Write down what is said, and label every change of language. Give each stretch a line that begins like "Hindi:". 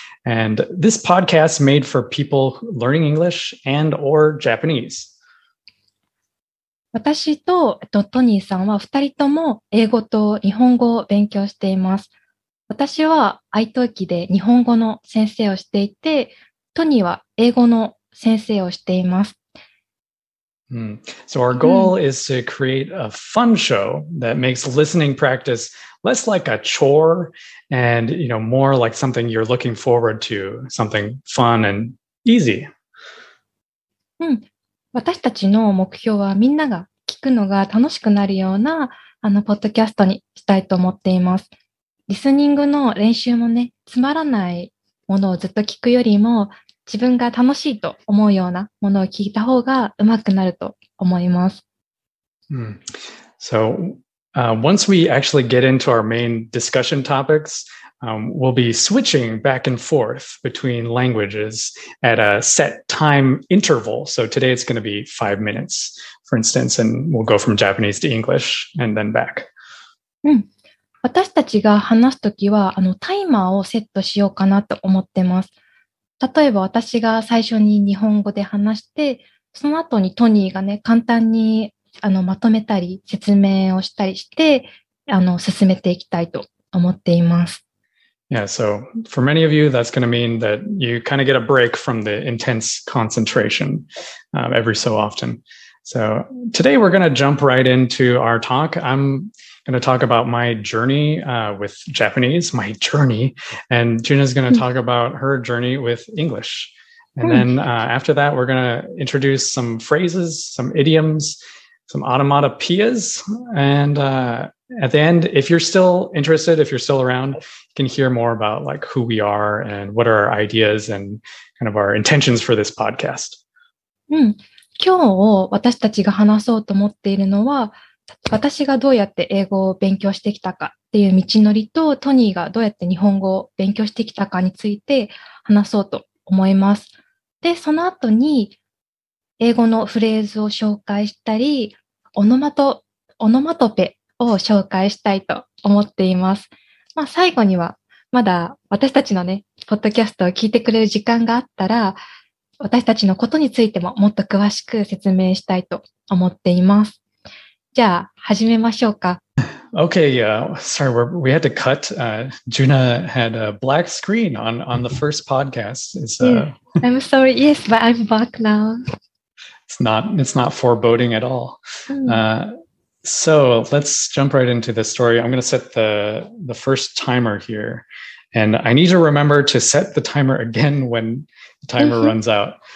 English: And this podcast is made for people learning English and or Japanese.
Japanese: 私とトニーさんは2人とも英語と日本語を勉強しています。私は italki で日本語の先生をしていて、トニーは英語の先生をしています。
English: So our goal is to create a fun show that makes listening practice less like a chore and, you know, more like something you're looking forward to, something fun and easy.
Japanese: 私たちの目標はみんなが聞くのが楽しくなるようなあのポッドキャストにしたいと思っています。リスニングの練習もね、つまらないものをずっと聞くよりも、自分が楽しいと思うようなものを聞いた方がうまくなると思います。
English: So, once we actually get into our main discussion topics, we'll be switching back and forth between languages at a set time interval. So today it's going to be 5 minutes, for instance, and we'll go from Japanese to English and then back.
Japanese: 私たちが話すときはあのタイマーをセットしようかなと思ってます。例えば私が最初に日本語で話して、その後にトニーがね、簡単にあのまとめたり説明をしたりしてあの進めていきたいと思っています。
English: Yeah, so for many of you, that's going to mean that you kind of get a break from the intense concentration, every so often. So today we're going to jump right into our talk. I'm going to talk about my journey with Japanese, my journey, and Junna's going to talk about her journey with English. And then after that, we're going to introduce some phrases, some idioms, some onomatopoeias, and at the end, if you're still interested, if you're still around, you can hear more about like who we are and what are our ideas and kind of our intentions for this podcast.
Japanese: 今日私たちが話そうと思っているのは、私がどうやって英語を勉強してきたかっていう道のりと、トニーがどうやって日本語を勉強してきたかについて話そうと思います。で、その後に英語のフレーズを紹介したり、オノマトペを紹介したいと思っています。まあ、最後にはまだ私たちのね、ポッドキャストを聞いてくれる時間があったら、私たちのことについてももっと詳しく説明したいと思っています。じゃあ始めましょうか。
English: Okay, sorry, we had to cut. Junna had a black screen on the first podcast. I'm sorry, yes, but I'm back now. It's not foreboding at all. So let's jump right into the story. I'm going to set the first timer here. And I need to remember to set the timer again when the timer runs out.